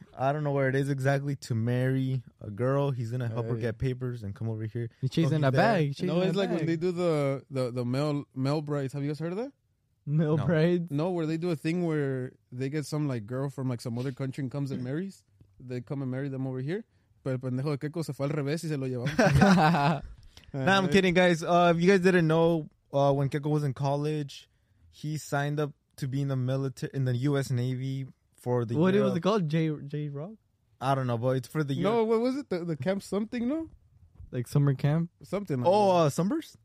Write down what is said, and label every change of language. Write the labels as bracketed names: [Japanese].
[English] I don't know where it is exactly, to marry a girl. He's going to help her get papers and come over here. He's chasing a bag. No, it's like when they do the male brides. Have you guys heard of that? Male brides? No, where they do a thing where they get some like girl from like some other country and comes and marries. They come and marry them over here. [Spanish] Pero el pendejo de Keiko se fue al revés y se lo llevamos. [English] Nah, I'm kidding, guys. If you guys didn't know, when Keiko was in college, he signed up to be in the military, in the U.S. Navy for the year. What was it called? J-Rock? I don't know, but it's for the year. No, what was it? The camp something, no? Like summer camp? Something. Like that. Summers?